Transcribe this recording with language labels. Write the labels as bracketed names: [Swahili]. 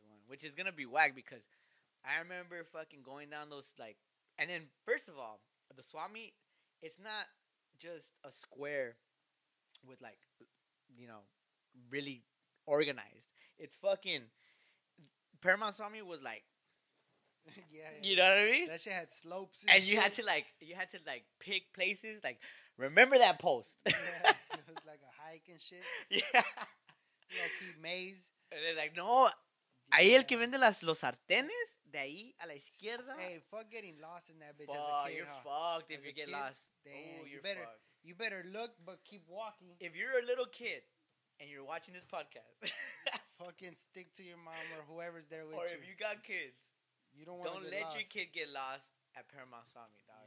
[English] One, which is gonna be whack because I remember fucking going down those like, and then first of all, the swap meet, it's not just a square with like, you know, really organized. It's fucking Paramount Swami was like, you know what I mean? That shit had slopes and you had to like, pick places. Like, remember that post? Yeah, it was like a hike and shit. Yeah, like maze. And they're like, no, yeah. [Spanish] Ahí el que vende los sartenes de ahí a la izquierda. [English] Hey, fuck getting lost in that bitch. Fucked if you get lost. Damn, you better you better look, but keep walking. If you're a little kid. And you're watching this podcast. Fucking stick to your mom or whoever's there with you. if you got kids, you don't want to get lost. Don't let your kid get lost at Paramount Swami, dog.